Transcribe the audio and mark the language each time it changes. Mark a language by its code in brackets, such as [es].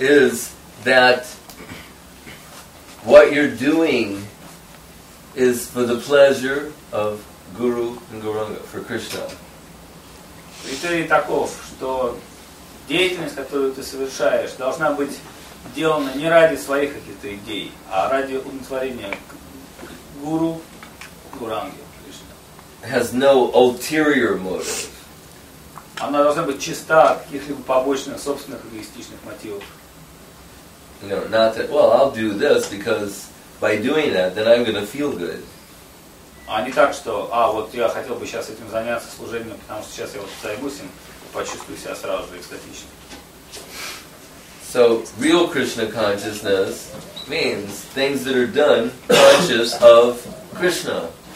[en] is that what you're doing is for the pleasure of Guru and Gauranga, for Krishna? [ru] Критерий таков, что деятельность, которую ты совершаешь, должна быть сделана не ради своих каких-то идей, а ради удовлетворения Гуру, Гуранги. [en] Has no ulterior motive. [ru] Она должна быть чиста от каких-либо побочных собственных эгоистичных мотивов. [en] You know, not that, well, I'll do this because by doing that, then I'm going to feel good. [ru] А не так, что, вот я хотел бы сейчас этим заняться служением, потому что сейчас я вот займусь им, почувствую себя сразу же экстатично. [en] So real Krishna consciousness means things that are done conscious of Krishna.